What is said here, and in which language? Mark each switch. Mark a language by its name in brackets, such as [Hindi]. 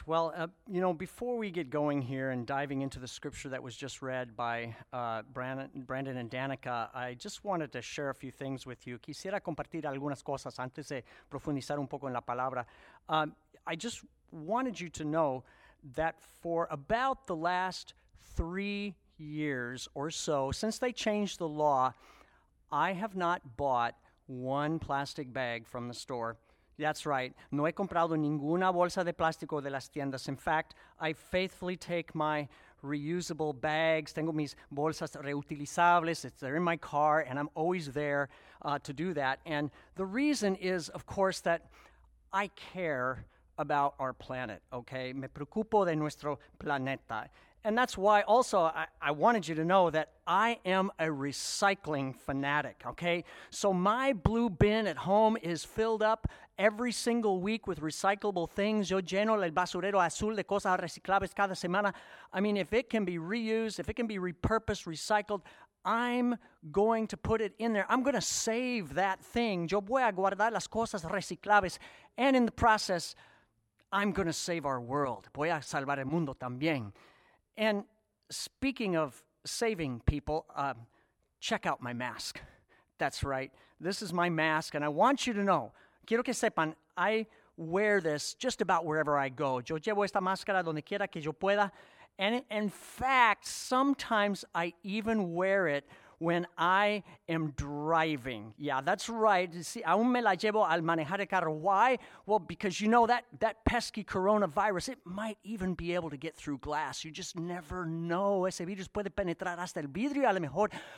[English] Well, you know, before we get going here and diving into the scripture that was just read by Brandon and Danica, I just wanted to share a few things with you. [Spanish] Quisiera compartir algunas cosas antes de profundizar un poco en la palabra. [English] I just wanted you to know that for about the last 3 years or so, since they changed the law, I have not bought one plastic bag from the store. That's right. [Spanish] No he comprado ninguna bolsa de plástico de las tiendas. [English] In fact, I faithfully take my reusable bags. [Spanish] Tengo mis bolsas reutilizables. [English] They're in my car, and I'm always there to do that. And the reason is, of course, that I care about our planet, okay? [Spanish] Me preocupo de nuestro planeta. [English] And that's why also I wanted you to know that I am a recycling fanatic, okay? So my blue bin at home is filled up every single week with recyclable things. [Spanish] Yo lleno el basurero azul de cosas reciclables cada semana. [English] I mean, if it can be reused, if it can be repurposed, recycled, I'm going to put it in there. I'm going to save that thing. [Spanish] Yo voy a guardar las cosas reciclables. [English] And in the process, I'm going to save our world. [Spanish] Voy a salvar el mundo también. [English] And speaking of saving people, check out my mask. That's right. This is my mask, and I want you to know, [Spanish] quiero que sepan, [English] I wear this just about wherever I go. [Spanish] Yo llevo esta máscara donde quiera que yo pueda. [English] And in fact, sometimes I even wear it when I am driving. Yeah, that's right. [Spanish] See, aún me la llevo al manejar el carro. [English] Why? Well, because you know that pesky coronavirus, it might even be able to get through glass. You just never know. [Spanish] Ese virus puede penetrar hasta el vidrio, a lo mejor.